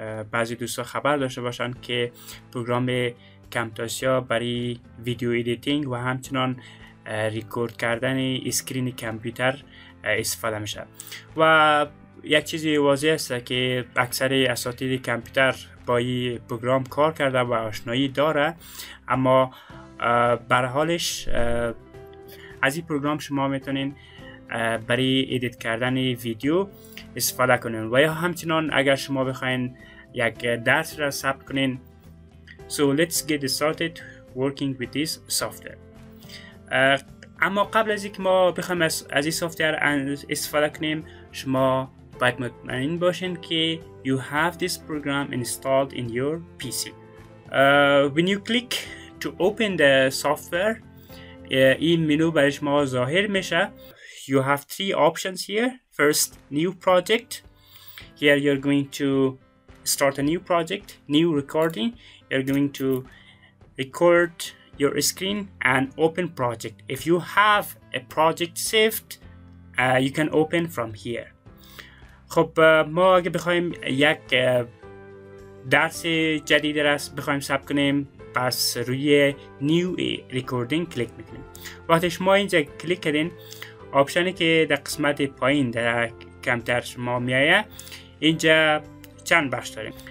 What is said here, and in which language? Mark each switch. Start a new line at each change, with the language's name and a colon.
Persian: بعضی دوستان خبر داشته باشند که پروگرام کمتاشیا برای ویدیو ایدیتینگ و همچنان ریکورد کردن اسکرین کامپیوتر استفاده میشه و یک چیزی واضح است که اکثر اساتید کامپیوتر با این پروگرام کار کرده و آشنایی داره، اما به هر حالش از این پروگرام شما میتونین برای ادیت کردن ویدیو استفاده کنین و یا همچنان اگر شما بخواین یک درس را ثبت کنین.
English: So let's get started working with this software.
Persian: اما قبل از اینکه ما بخوایم از این سافتویر استفاده کنیم، شما باید مطمئن باشین که
English: you have this program installed in your PC. When you click to open the software,
Persian: این منو برای شما ظاهر میشه.
English: You have three options here. First, new project. Here you're going to start a new project, new recording. You're going to record your screen and open project. If you have a project saved, you can open from here.
Persian: خب ما اگه بخوایم یک درس جدید را بخوایم ثبت کنیم، پس روی نیو ریکوردینگ کلیک میکنیم. وقتی شما اینجا کلیک کردین، آپشنی که در قسمت پایین در کمتر شما میایه، اینجا چند بخش داریم.